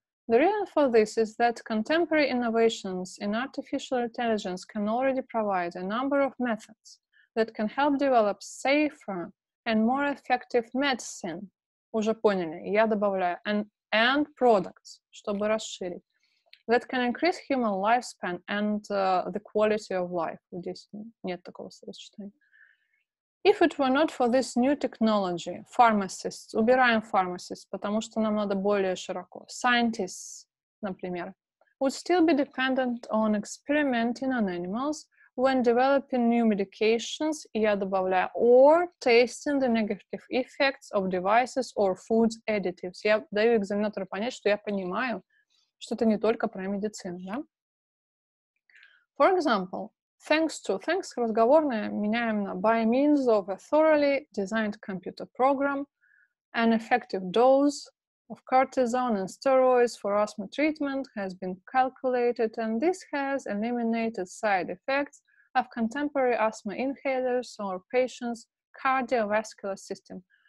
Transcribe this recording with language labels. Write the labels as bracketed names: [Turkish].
[English] The reason for this is that contemporary innovations in artificial intelligence can already provide a number of methods that can help develop safer and more effective medicine. [Russian] Уже поняли? Я добавляю [English] and products, [Russian] чтобы расширить. [English] That can increase human lifespan and the quality of life. [Russian] Здесь нет такого сочетания. [English] If it were not for this new technology, pharmacists, [Russian] убираем [English] pharmacists, [Russian] потому что нам надо более широко. [English] Scientists, [Russian] например, [English] would still be dependent on experimenting on animals when developing new medications, [Russian] я добавляю, [English] or tasting the negative effects of devices or food additives. [Russian] Я даю экзаменатору понять, что я понимаю, что это не только про медицину, да? [English] For example, thanks [Russian] разговорное меняем на [English] by means of a thoroughly designed computer program, an effective dose of cortisone and steroids for asthma treatment has been calculated, and this has eliminated side effects of contemporary asthma inhalers or patients' cardiovascular system.